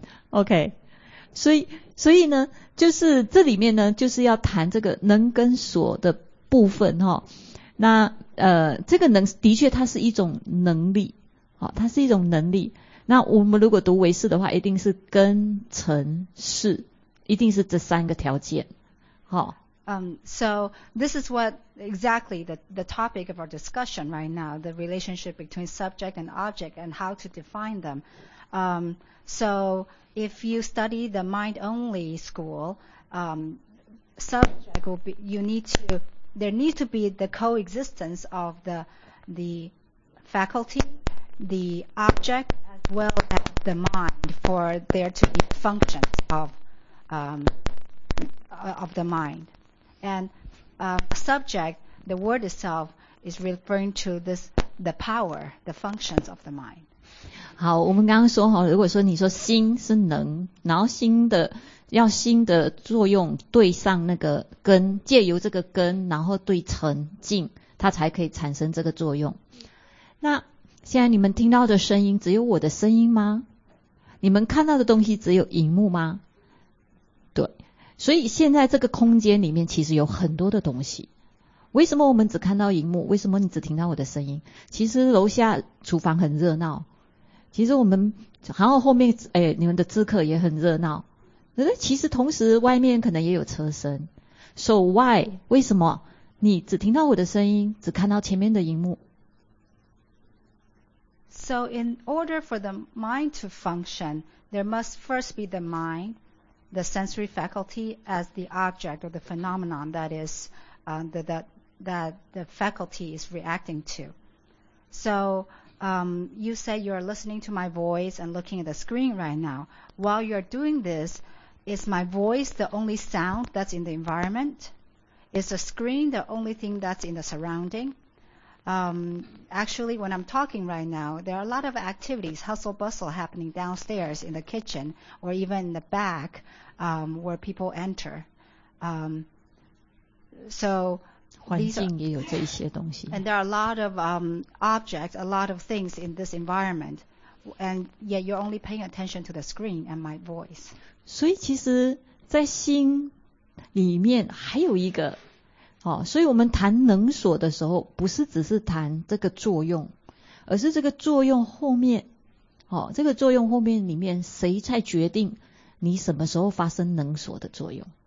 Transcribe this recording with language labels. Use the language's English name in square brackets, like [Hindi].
[Chinese] OK 所以呢就是这里面呢就是要谈这个能跟所的部分、哦、那这个能的确它是一种能力、哦、它是一种能力那我们如果读为是的话一定是跟成是一定是这三个条件好、哦 [English] So this is what exactly the topic of our discussion right now, the relationship between subject and object and how to define them. So if you study the mind-only school, subject will be, you need to, there needs to be the coexistence of the faculty, the object, as well as the mind for there to be functions of the mind. And subject, the word itself is referring to this, the power, the functions of the mind. [Chinese] 好，我们刚刚说好，如果说你说心是能，然后心的要心的作用对上那个根，借由这个根，然后对成境，它才可以产生这个作用。那现在你们听到的声音只有我的声音吗？你们看到的东西只有荧幕吗？对。所以现在这个空间里面其实有很多的东西。为什么我们只看到荧幕？为什么你只听到我的声音？其实楼下厨房很热闹。其实我们然后后面哎，你们的咨客也很热闹。其实同时外面可能也有车声。 [English] So why? [Chinese] 为什么你只听到我的声音，只看到前面的荧幕？ [English] So in order for the mind to function, there must first be the mind. The sensory faculty as the object or the phenomenon that is, that the faculty is reacting to. So, you say you're listening to my voice and looking at the screen right now. While you're doing this, is my voice the only sound that's in the environment? Is the screen the only thing that's in the surrounding? Actually, when I'm talking right now, there are a lot of activities, hustle bustle happening downstairs in the kitchen or even in the back,where people enter. So, [Chinese] 环境也有这一些东西。 [English] And there are a lot of objects, a lot of things in this environment, and yet you're only paying attention to the screen and my voice. [Chinese] 所以其实在心里面还有一个、哦、所以我们谈能所的时候不是只是谈这个作用而是这个作用后面、哦、这个作用后面里面谁在决定你什么时候发生能所的作用